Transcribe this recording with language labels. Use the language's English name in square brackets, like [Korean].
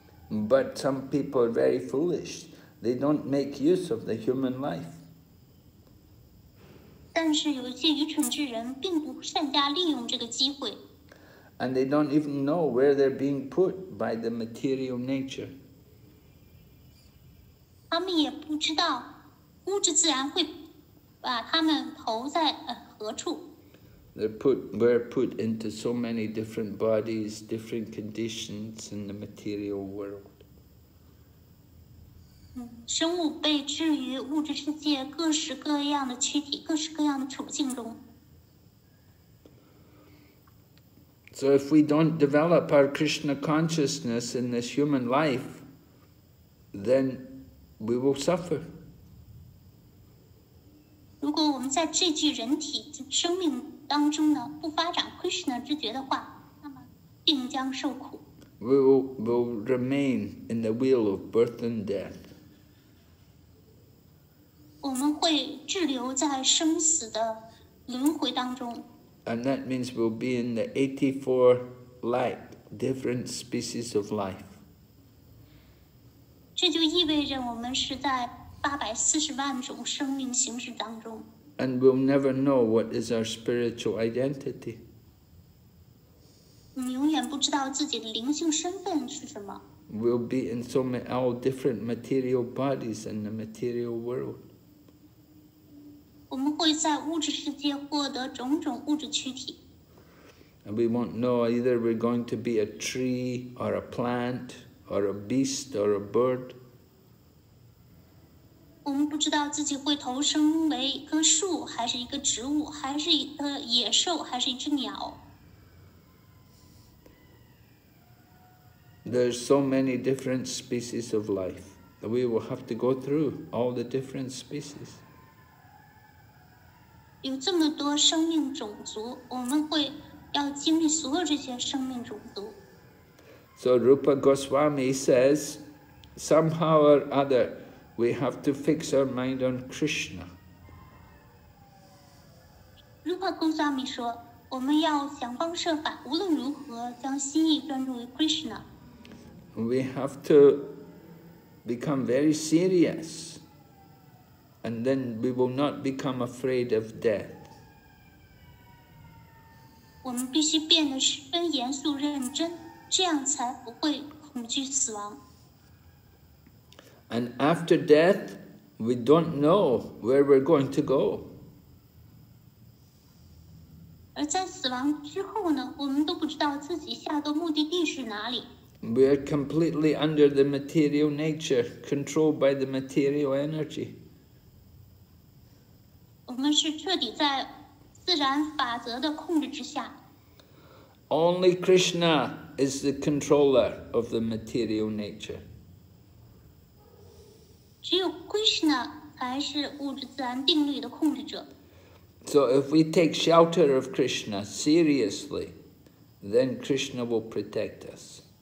[English] But some people are very foolish. They don't make use of the human life. [Chinese] 但是有些愚蠢之人并不善加利用这个机会。 [English] And they don't even know where they're being put by the material nature. [Chinese] 他们也不知道物质自然会把他们投在何处。 [English] They're put into so many different bodies, different conditions in the material world. [Chinese] 生物被置于物质世界各式各样的躯体、各式各样的处境中。 [English] So if we don't develop our Krishna consciousness in this human life, then we will suffer. [Chinese] 如果我们在这具人体生命当中呢，不发展 Krishna 知觉的话，那么定将受苦。 [English] We will remain in the wheel of birth and death. [Chinese] 我们会滞留在生死的轮回当中。 [English] And that means we'll be in the 84 like different species of life. [Chinese] 这就意味着我们是在840万种生命形式当中。 [English] And we'll never know what is our spiritual identity. [Chinese] 你永远不知道自己的灵性身份是什么。 [English] We'll be in so many all different material bodies in the material world. [Chinese] 我们会在物质世界获得种种物质躯体。 [English] And we won't know either we're going to be a tree or a plant or a beast or a bird. [Chinese] 我们不知道自己会投生为一棵树，还是一个植物，还是一个野兽，还是一只鸟。 [English] There's so many different species of life that we will have to go through all the different species. [Chinese] 有这么多生命种族，我们会要经历所有这些生命种族。 [English] So Rupa Goswami says, somehow or other, we have to fix our mind on Krishna. [Chinese] Rupa Goswami 说，我们要想方设法，无论如何将心意专注于 Krishna. [English] We have to become very serious. And then we will not become afraid of death. We [Chinese] 必须变得十分严肃认真，这样才不会恐惧死亡。 [English] And after death, we don't know where we're going to go. [Chinese] 而在死亡之后呢，我们都不知道自己下个目的地是哪里。 [English] We are completely under the material nature, controlled by the material energy. [Chinese] 我们是彻底在自然法则的控制之下。 [English] Only Krishna is the controller of the material nature. [Chinese] 只有 Krishna 才是物质自然定律的控制者。 [English] So if we take shelter of Krishna seriously, then Krishna will protect us.